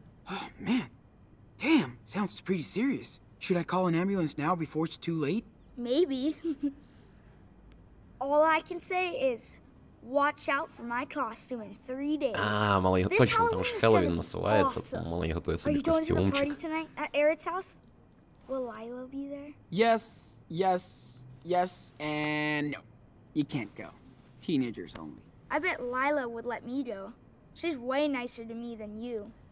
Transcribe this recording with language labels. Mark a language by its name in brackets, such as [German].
[English] Oh, man. Damn, sounds pretty serious. Should I call an ambulance now before it's too late? Maybe. All I can say is... Watch out for my costume in 3 days. [Ukrainian] А, малий, точно, тому що Хеллоуін насувається, тому малий готує собі костюмчик. [English] Are you going to the party tonight at Eric's house? Will Lila be there? Yes, yes, yes, and no. You can't go. Teenagers only. I bet Lila would let me go. She's way nicer to me than you.